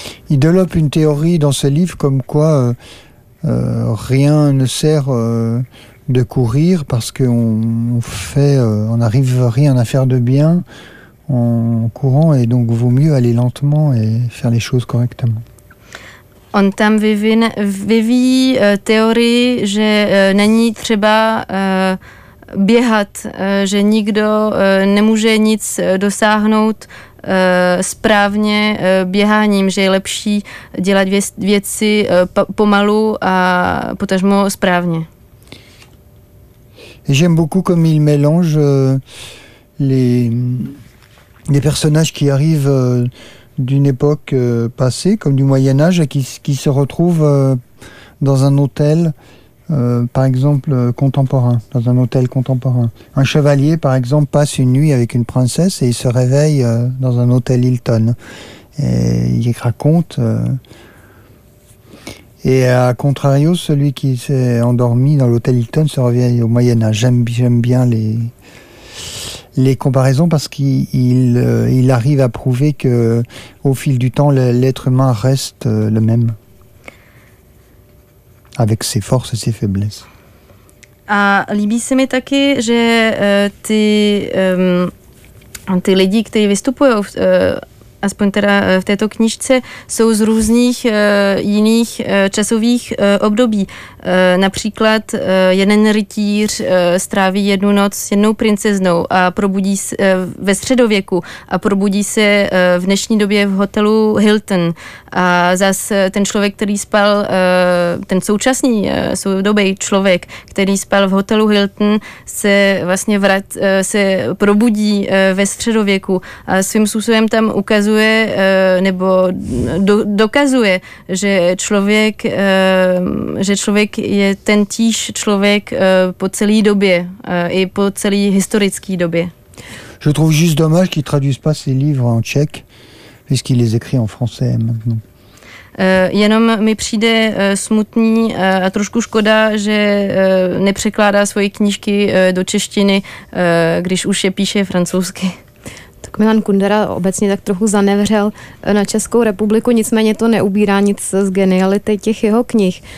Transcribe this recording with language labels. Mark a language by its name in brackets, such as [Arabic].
[French] Il développe une théorie dans ce livre comme quoi rien ne sert de courir parce qu'on fait, on n'arrive rien à faire de bien en courant et donc vaut mieux aller lentement et faire les choses correctement. [Czech] On tam vyvíjí teorii, že není třeba běhat, že nikdo nemůže nic dosáhnout správně běháním, že je lepší dělat věci pomalu a potažmo správně. [French] J'aime beaucoup comme il mélange les personnages qui arrivent d'une époque passée, comme du Moyen Âge, qui se retrouvent dans un hôtel, par exemple contemporain, dans un hôtel contemporain. Un chevalier, par exemple, passe une nuit avec une princesse et il se réveille dans un hôtel Hilton. Et il raconte. Et à contrario, celui qui s'est endormi dans l'hôtel Hilton se réveille au Moyen Âge. J'aime bien les comparaisons parce qu'il arrive à prouver que au fil du temps, l'être humain reste le même. Avec ses forces et ses faiblesses. [Czech] A líbí se mi taky, že ty lidi, kteří vystupují aspoň teda v této knížce, jsou z různých jiných časových období. Například jeden rytíř stráví jednu noc s jednou princeznou a probudí se ve středověku a probudí se v dnešní době v hotelu Hilton. A zas ten člověk, který spal, ten současný soudobý člověk, který spal v hotelu Hilton, se vlastně se probudí ve středověku a svým způsobem tam ukazuje nebo dokazuje, že člověk je ten týž člověk po celý době i po celý historický době. [French] Je trouve juste dommage qu'il traduise pas ses livres en tchèque, puisqu'il les écrit en français maintenant. [Czech] Jenom mi přijde smutný a trošku škoda, že nepřekládá svoje knížky do češtiny, když už je píše francouzsky. Tak Milan Kundera obecně tak trochu zanevřel na Českou republiku, nicméně to neubírá nic z geniality těch jeho knih.